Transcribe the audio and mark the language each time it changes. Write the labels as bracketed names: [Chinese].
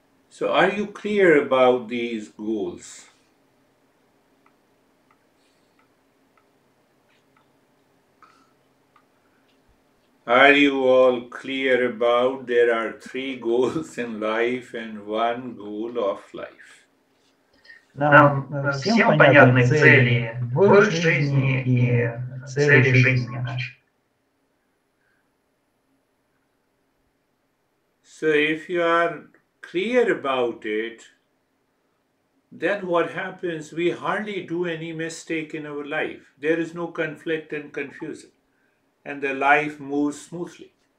[English] So are you clear about these goals? Are you all clear about there are three goals in life and one goal of life? [Ukrainian] Нам всім понятні цілі в житті і цілі життя. [English] So if you are clear about it, then what happens? We hardly do any mistake in our life. There is no conflict and confusion. And the life moves smoothly.